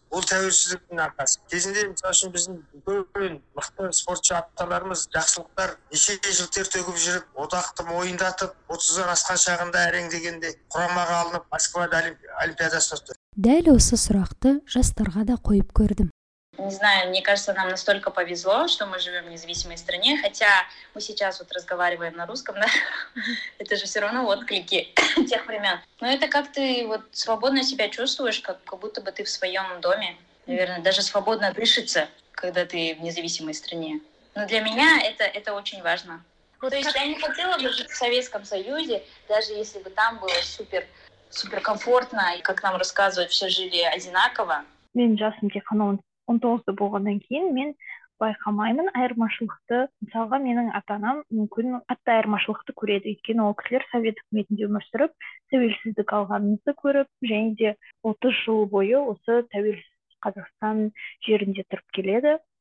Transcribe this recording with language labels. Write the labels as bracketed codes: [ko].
[kk] Бұл тәуелсіздіктің арқасы. Кезінде мысалы үшін біздің үлкен мықты спортшы аталарымыз жақсылықтар неше жылдар төгіп жүріп, одақты мойындатып, 30-дан асқан шағында әрең дегенде құрамаға алынып, Москвада олимпиадасына түсті. Дәл осы сұрақты жастарға да қойып көрдім. [ru] Не знаю, мне кажется, нам настолько повезло, что мы живем в независимой стране, хотя мы сейчас вот разговариваем на русском, да? Это же все равно отклики тех времен. Но это как ты вот свободно себя чувствуешь, как будто бы ты в своем доме, наверное, даже свободно дышится, когда ты в независимой стране. Но для меня это очень важно. Вот то есть я не хотела бы жить в Советском Союзе, даже если бы там было супер комфортно, и как нам рассказывают, все жили одинаково. [kk] Мен жасым тек 19-да болғаннан кейін мен байқамаймын айырмашылықты. Мысалға менің ата-анам мүмкін қатты айырмашылықты көреді. Өйткені ол кісілер совет үкіметінде өмір сүріп, тәуелсіздік алғанымызды көріп, және де 30 жыл бойы осы тәуелсіз Қазақстан жерінде тұрып келеді.